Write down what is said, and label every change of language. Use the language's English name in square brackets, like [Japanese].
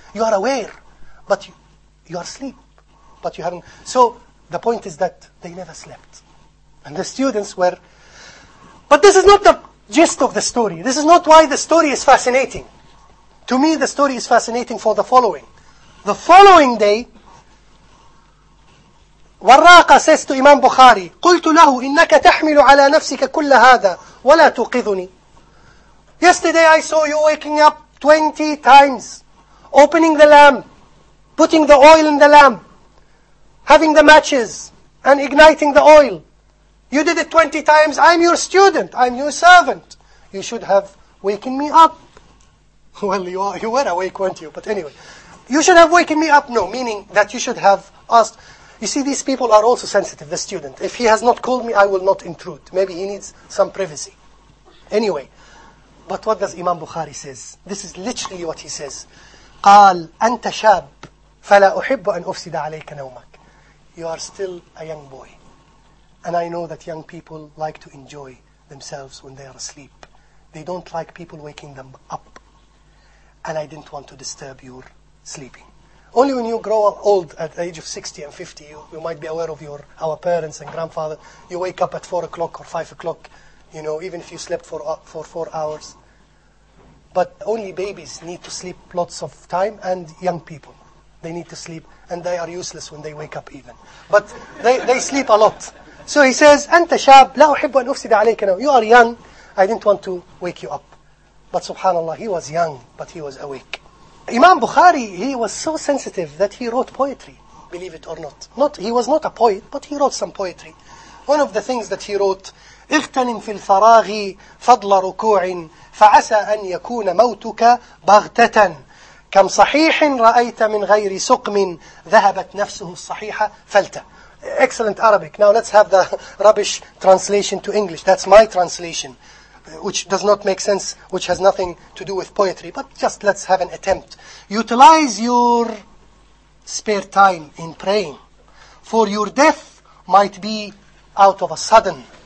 [English] You are aware, but you are asleep, but you haven't. So the point is that they never slept. And the students were, but this is not the gist of the story. This is not why the story is fascinating. To me, the story is fascinating for the following. The following day, Warraqa says to Imam Bukhari, [Arabic] قُلْتُ لَهُ إِنَّكَ تَحْمِلُ عَلَى نَفْسِكَ كُلَّ هَذَا وَلَا تُقِذُنِي. [English] Yesterday I saw you waking up 20 times, opening the lamp, putting the oil in the lamp, having the matches, and igniting the oil. You did it 20 times, I'm your student, I'm your servant. You should have waken me up. Well, you were awake, weren't you? But anyway, you should have waken me up. No, meaning that you should have asked. You see, these people are also sensitive, the student. If he has not called me, I will not intrude. Maybe he needs some privacy. Anyway, but what does Imam Bukhari says? This is literally what he says. [Arabic] قال أنت شاب فلا أحب أن أفسد عليك نومك. [English] You are still a young boy. And I know that young people like to enjoy themselves when they are asleep. They don't like people waking them up. And I didn't want to disturb your sleeping. Only when you grow old at the age of 60 and 50, you might be aware of our parents and grandfather. You wake up at 4 o'clock or 5 o'clock, you know, even if you slept for 4 hours. But only babies need to sleep lots of time, and young people, they need to sleep, and they are useless when they wake up even. But they sleep a lot. So he says, [Arabic] أنت شاب لا أحب أن أفسد عليك نومك. [English] You are young, I didn't want to wake you up. But subhanAllah, he was young, but he was awake. Imam Bukhari, he was so sensitive that he wrote poetry, believe it or not. He was not a poet, but he wrote some poetry. One of the things that he wrote, [Arabic] اغتنم في الفراغ فضل ركوع فعسى أن يكون موتك بغتة كم صحيح رأيت من غير سقم ذهبت نفسه الصحيحة فلتة. [English] Excellent Arabic. Now let's have the rubbish translation to English. That's my translation, which does not make sense, which has nothing to do with poetry. But just let's have an attempt. Utilize your spare time in praying, for your death might be out of a sudden.